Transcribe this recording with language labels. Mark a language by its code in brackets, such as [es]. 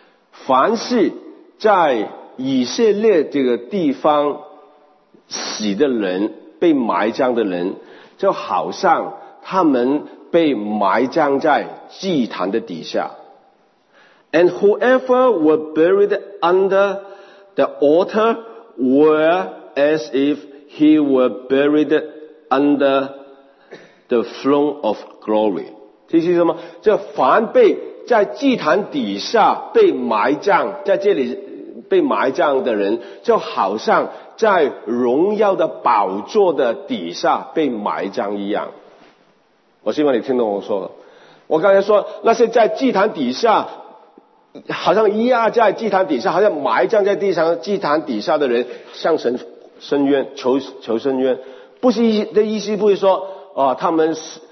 [zh] 凡是在以色列这个地方死的人，被埋葬的人，就好像他们被埋葬在祭坛的底下。 [en] And whoever were buried under the altar were as if he were buried under the throne of glory。 [zh] 这是什么？这凡被在祭坛底下被埋葬，在这里被埋葬的人，就好像在荣耀的宝座的底下被埋葬一样。我希望你听懂我说。我刚才说那些在祭坛底下，好像压在祭坛底下，好像埋葬在地上祭坛底下的人，向神伸冤，求伸冤，不是的意思，不是说哦，他们死。